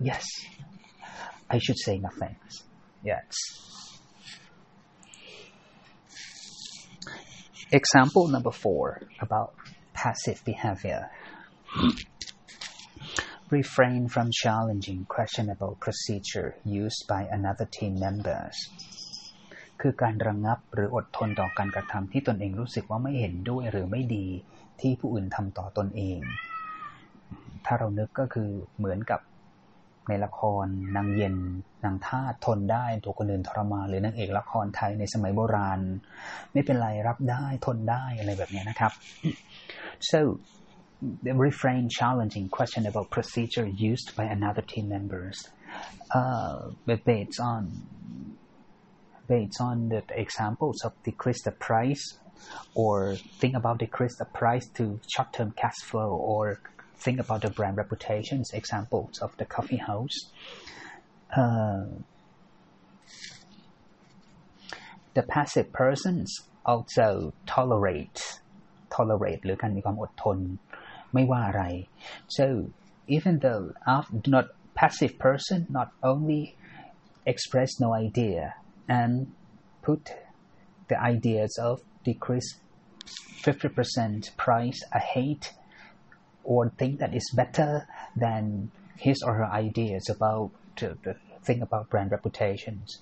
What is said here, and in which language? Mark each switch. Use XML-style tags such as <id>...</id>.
<en>Yes, I should say nothing. Yeah, it's example number four about passive behavior. Refrain from challenging questionable procedure used by another team members.</en> <th>คือการระงับหรืออดทนต่อการกระทำที่ตนเองรู้สึกว่าไม่เห็นด้วยหรือไม่ดีที่ผู้อื่นทำต่อตนเองถ้าเรานึกก็คือเหมือนกับในละครนางเย็นนางท่าทนได้ถูกคนอื่นทรมานหรือนางเอกละครไทยในสมัยโบราณไม่เป็นไรรับได้ทนได้อะไรแบบนี้นะครับ</th> <en>So they refrain challenging questionable procedure used by another team members based on the examples of decrease the price or think about decrease the price to short-term cash flow orThink about the brand reputations, examples of the coffee house. The passive persons also tolerate,</en> <th>หรือการมีความอดทนไม่ว่าอะไร.</th> <en>So even though not passive person not only express no idea and put the ideas of decrease 50% price ahead. Or think that is better than his or her ideas about the thing about brand reputations.</en>